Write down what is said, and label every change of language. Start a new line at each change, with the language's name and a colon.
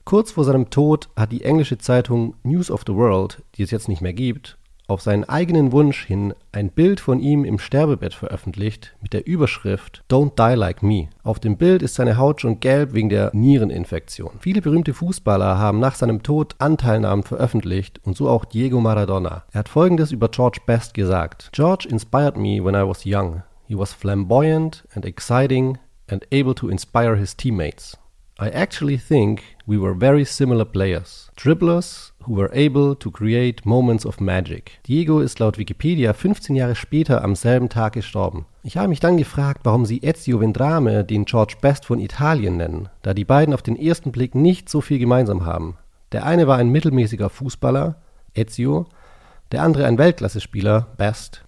German: Kurz vor seinem Tod hat die englische Zeitung News of the World, die es jetzt nicht mehr gibt, auf seinen eigenen Wunsch hin ein Bild von ihm im Sterbebett veröffentlicht mit der Überschrift
English: Don't die like me.
German: Auf dem Bild ist seine Haut schon gelb wegen der Niereninfektion. Viele berühmte Fußballer haben nach seinem Tod Anteilnahmen veröffentlicht und so auch Diego Maradona. Er hat Folgendes über George Best gesagt:
English: George inspired me when I was young. He was flamboyant and exciting and able to inspire his teammates. I actually think we were very similar players. Dribblers who were able to create moments of magic.
German: Diego ist laut Wikipedia 15 Jahre später am selben Tag gestorben. Ich habe mich dann gefragt, warum sie Ezio Vendrame den George Best von Italien nennen, da die beiden auf den ersten Blick nicht so viel gemeinsam haben. Der eine war ein mittelmäßiger Fußballer, Ezio, der andere ein Weltklassespieler, Best.